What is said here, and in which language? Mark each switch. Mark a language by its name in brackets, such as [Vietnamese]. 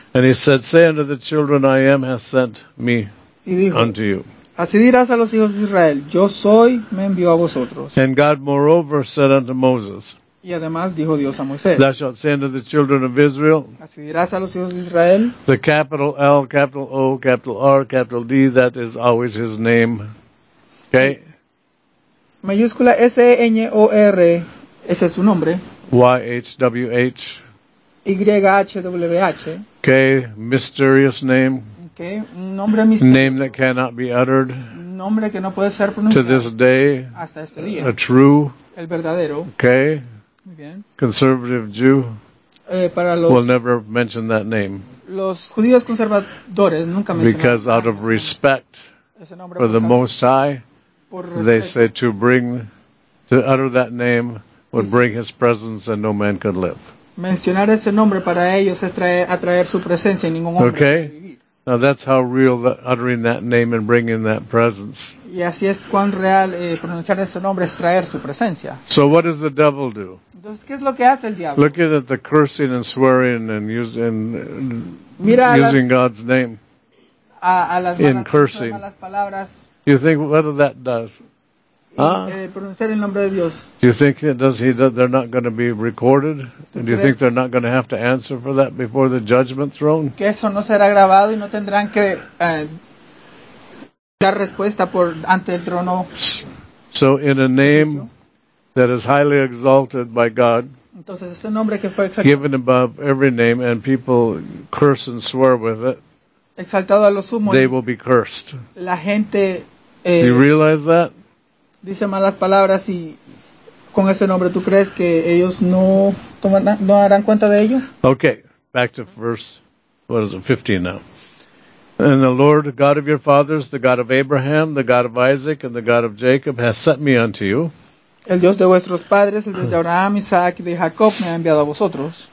[English] And he said, say unto the children, I am has sent me unto you. [Spanish] Así dirás a los hijos de Israel, yo soy, me envió a vosotros. [English] And God moreover said unto Moses, [Spanish] y además dijo Dios a Moisés, [English] thou shalt say unto the children of Israel, [Spanish] así dirás a los hijos de Israel, [English] the capital L, capital O, capital R, capital D, that is always his name. Okay? [Spanish] Mayúscula S-E-N-O-R, ese es su nombre. Y-H-W-H. Y-H-W-H. [English] Okay, mysterious name. [Spanish] Okay, un nombre misterioso. [English] Name that cannot be uttered. [Spanish] Nombre que no puede ser pronunciado. [English] To this day. [Spanish] Hasta este día. [English] A true. [Spanish] El verdadero. [English] Okay. [Spanish] Bien. [English] Conservative Jew [Spanish] para los, [English] will never mention that name. [Spanish] Los judíos conservadores nunca mencionan. [English] Because out of respect for the Most High, they say to bring, to utter that name would bring his presence and no man could live. [Spanish] Mencionar ese nombre para ellos es atraer su presencia y ningún hombre puede vivir. [English] Now that's how real the uttering that name and bringing that presence. [Spanish] Y así es cuán real pronunciar ese nombre es traer su presencia. [English] So what does the devil do? [Spanish] Entonces, ¿qué es lo que hace el diablo? [English] Looking at the cursing and swearing and using God's name in cursing. [Spanish] Malas palabras. [English] You think what of that does? [Spanish] Pronunciar el nombre de Dios. [English] Do you think they're not going to be recorded? And do you think they're not going to have to answer for that before the judgment throne? [Spanish] Que eso no será grabado y no tendrán que dar respuesta por ante el trono. [English] So in a name that is highly exalted by God. [Spanish] Entonces ese nombre que fue exaltado. [English] Given above every name and people curse and swear with it. [Spanish] Exaltado a lo sumo. [English] They will be cursed. [Spanish] La gente. [English] Do you realize that? [Spanish] Dice malas palabras y con ese nombre, ¿tú crees que ellos no darán cuenta de ello? [English] Okay, back to verse, 15 now. And the Lord God of your fathers, the God of Abraham, the God of Isaac, and the God of Jacob has sent me unto you. [Spanish] El Dios de vuestros padres, el Dios de Abraham, Isaac y de Jacob me ha enviado a vosotros.